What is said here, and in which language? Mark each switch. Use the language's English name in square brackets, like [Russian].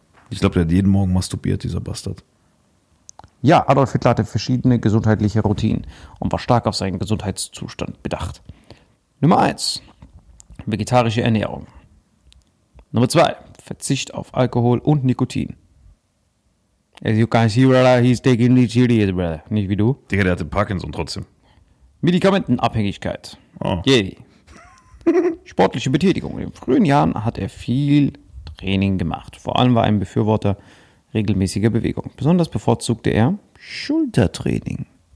[German] Ich glaube, der hat jeden Morgen masturbiert, dieser Bastard. Ja, Adolf Hitler hatte verschiedene gesundheitliche Routinen und war stark auf seinen Gesundheitszustand bedacht. Nummer 1, vegetarische Ernährung. Nummer 2, Verzicht auf Alkohol und Nikotin. [English] As you can see, brother, he's taking the serious, brother. [German] Nicht wie du. Digga, der hatte Parkinson trotzdem. Medikamentenabhängigkeit. Oh. Yay. Sportliche Betätigung. In frühen Jahren hat er viel Training gemacht. Vor allem war er ein Befürworter regelmäßiger Bewegung. Besonders bevorzugte er Schultertraining.